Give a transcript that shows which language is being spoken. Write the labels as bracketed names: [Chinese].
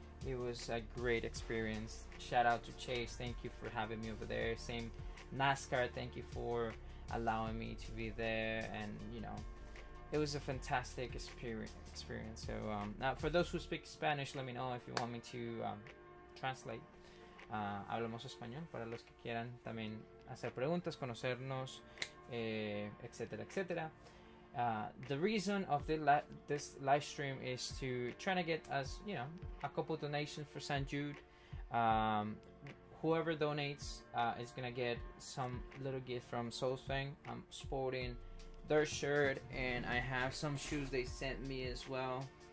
[English] It was a great experience. Shout out to Chase. Thank you for having me over there. Same NASCAR. Thank you for allowing me to be there. And you know, it was a fantastic experience. So now, for those who speak Spanish, let me know if you want me to translate. [Spanish] Hablamos español para los que quieran también hacer preguntas, conocernos, etcétera, etcétera. [English] The reason of this live stream is to try to get us, you know, a couple donations for St. Jude. Whoever donates is gonna get some little gift from Soulsfang. I'm sporting their shirt, and I have some shoes they sent me as well.